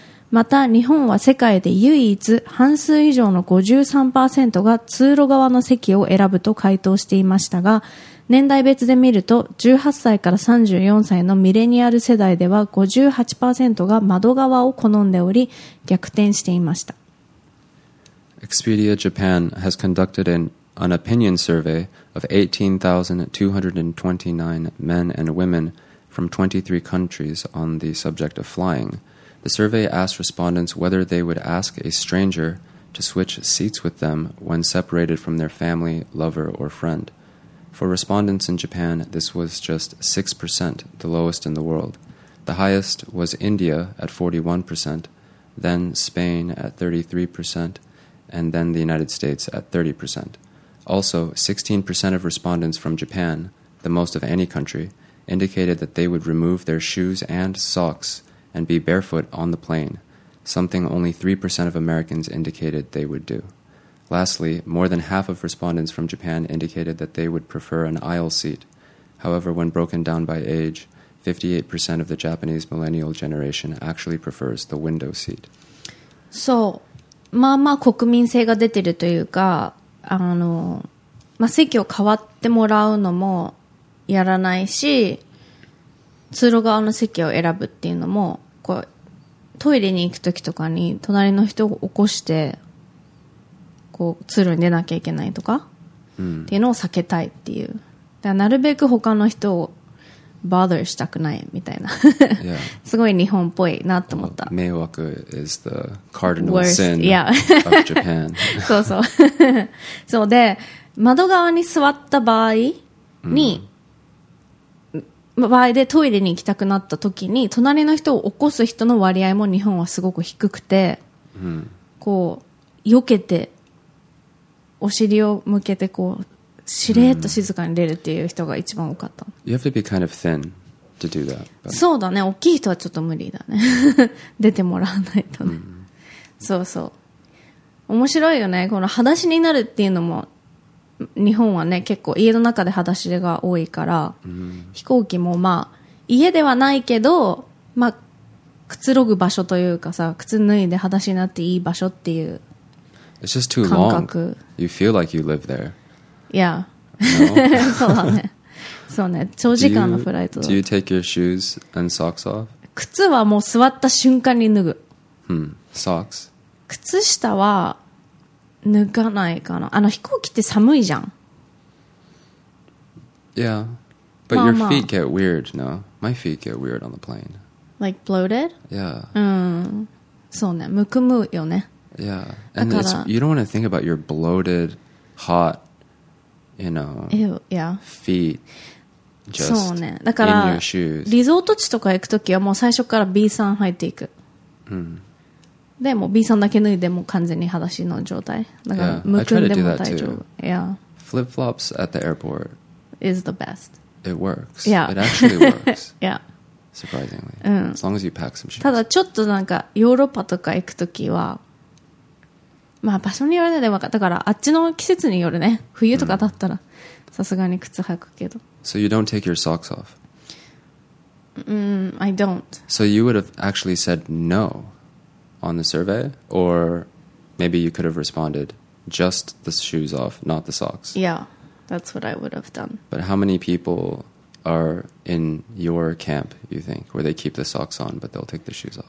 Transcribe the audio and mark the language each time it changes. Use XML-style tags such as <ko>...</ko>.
<ja>また、日本は世界で唯一半数以上の 53% が通路側の席を選ぶと回答していましたが、年代別で見ると18歳から34歳のミレニアル世代では 58% が窓側を好んでおり、逆転していました。</ja> <en>Expedia Japan has conducted an opinion survey of 18,229 men and women from 23 countries on the subject of flying. The survey asked respondents whether they would ask a stranger to switch seats with them when separated from their family, lover, or friend. For respondents in Japan, this was just 6%, the lowest in the world. The highest was India at 41%, then Spain at 33%, and then the United States at 30%. Also, 16% of respondents from Japan, the most of any country, indicated that they would remove their shoes and socksand be barefoot on the plane, something only 3% of Americans indicated they would do. Lastly, more than half of respondents from Japan indicated that they would prefer an aisle seat. However, when broken down by age, 58% of the Japanese millennial generation actually prefers the window seat.</en> <ja>So, まあまあ国民性が出てるというか、あの、まあ、席を変わってもらうのもやらないし、通路側の席を選ぶっていうのもこうトイレに行くときとかに隣の人を起こしてこう通路に出なきゃいけないとか、うん、っていうのを避けたいっていうだからなるべく他の人をバーダーしたくないみたいな</ja> <en>yeah.</en> <ja>すごい日本っぽいなと思った、</ja> <en>well, 迷惑 is the cardinal sin、 yeah. of Japan</en> <ja>そうそうそうで窓側に座った場合に、うん場合でトイレに行きたくなった時に隣の人を起こす人の割合も日本はすごく低くて、うん、こう避けてお尻を向けてこうしれっと静かに出るっていう人が一番多かった。</ja> <en>You have to be kind of thin to do that.</en> <ja>そうだね、大きい人はちょっと無理だね。出てもらわないとね。そうそう。面白いよね。この裸足になるっていうのも日本はね、結構家の中で裸足が多いから、飛行機もまあ家ではないけど、まあくつろぐ場所というかさ、靴脱いで裸足になっていい場所っていう</ja> <en>感覚。It's just too long. You feel like you live there. Yeah. No?</en> <ja>そうね、長時間のフライトだ。</ja> <en>Do you take your shoes and socks off?</en> <ja>靴はもう座った瞬間に脱ぐ。</ja> <en>Socks?</en> <ja>靴下は脱がないかな。あの飛行機って寒いじゃん。</ja> <en>Yeah. But your feet get weird, no? My feet get weird on the plane. Like bloated? Yeah.</en> <ja>そうね、むくむよね。</ja> <en>Yeah. And it's, you don't want to think about your bloated, hot,You know, Ew, yeah. feet just</en> <ja>そうね、だから</ja> <en>in your shoes.</en> <ja>リゾート地とか行くときはもう最初から B さん入っていく、でも B さんだけ脱いでも完全に裸足の状態だから、むくんでも大丈夫。</ja> <en>Yeah. Flip flops at the airport is the best. It works. Yeah. It actually works. Yeah. Surprisingly. As long as you pack some shoes.</en> <ja>ただちょっとなんかヨーロッパとか行くときはまあ場所によるね、だからあっちの季節によるね、冬とかだったらさすがに靴履くけど。</ja> <en>So you don't take your socks off? I don't. So you would have actually said no on the survey? Or maybe you could have responded just the shoes off, not the socks? Yeah, that's what I would have done. But how many people are in your camp, you think, where they keep the socks on but they'll take the shoes off?</en>